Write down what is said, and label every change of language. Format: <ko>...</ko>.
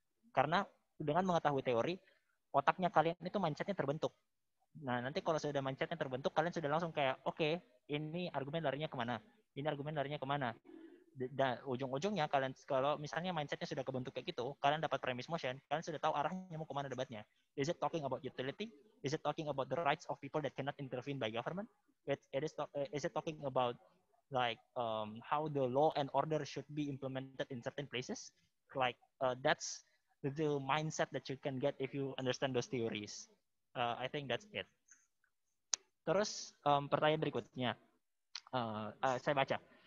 <id>Karena dengan mengetahui teori, otaknya kalian itu mindsetnya terbentuk. Nah, nanti kalau sudah mindsetnya terbentuk, kalian sudah langsung kayak okay, ini argumen larinya kemana? Ini argumen larinya kemana? Dan ujung-ujungnya kalian kalau misalnya mindsetnya sudah kebentuk kayak gitu, kalian dapat premise motion, kalian sudah tahu arahnya mau kemana debatnya.</id> <en>Is it talking about utility? Is it talking about the rights of people that cannot intervene by government? Is it talking about like how the law and order should be implemented in certain places? Like that's the mindset that you can get if you understand those theories. I think that's it.</en> <id>Terus pertanyaan berikutnya, saya baca.</id>